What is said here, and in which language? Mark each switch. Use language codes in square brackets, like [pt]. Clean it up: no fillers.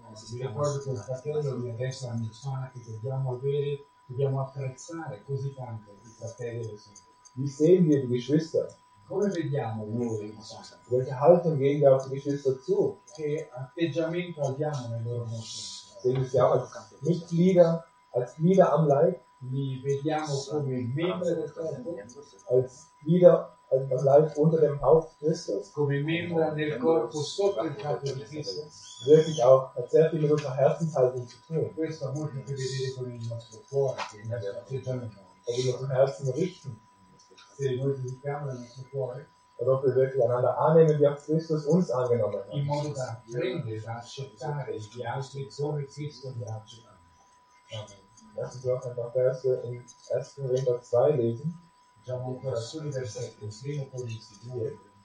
[it] Mi ricordo che il fratello mi ha detto una menzione che dobbiamo avere, dobbiamo apprezzare così tanto i fratelli e le sorelle. [de] Wie sehen wir die Geschwister? [it] Come vediamo noi? [de] Welche Haltung geben wir auf die Geschwister zu? [it] Che atteggiamento abbiamo nei loro confronti? [de] Sehen wir sie auch als Mitglieder, als Glieder am Leib? [it] Li vediamo come membri del corpo? [de] Als Glieder am Leib unter dem Haupt Christus? [it] Come membri del corpo sotto il capo di Cristo? [de] Wirklich auch, hat sehr viel mit unserer Herzenshaltung zu tun. [it] Questo molto che vedere con il nostro cuore, che è il atteggiamento. [de] Ob wir unser Herzen richten. [it] Se noi giudichiamo il nostro cuore, [de] ob wir wirklich einander annehmen, wie auch Christus uns angenommen hat. [it] In modo da prendere, da accettare gli altri come Cristo li ha accettati. [de] Lassen Sie uns einfach Verse in 1. Korinther 2 lesen. [it] Diciamo ancora solo i versetti, il primo con il 2.